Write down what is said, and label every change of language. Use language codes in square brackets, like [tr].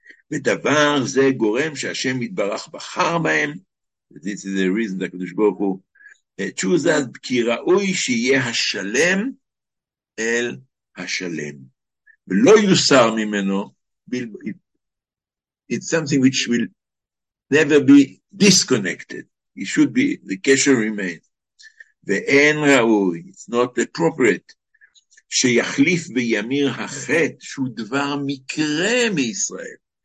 [he] ודבר זה גורם שהשם יתברך בחר בהם. [en] This is the reason that הקדוש ברוך הוא choose us, [he] כי ראוי שיהיה השלם אל השלם. ולא יוסר ממנו, [en] it's something which will never be disconnected. It should be, the קשר remain. [he] ואין ראוי, [en] it's not appropriate, [he] שיחליף בימיר החטא, שהוא דבר מקרה מישראל.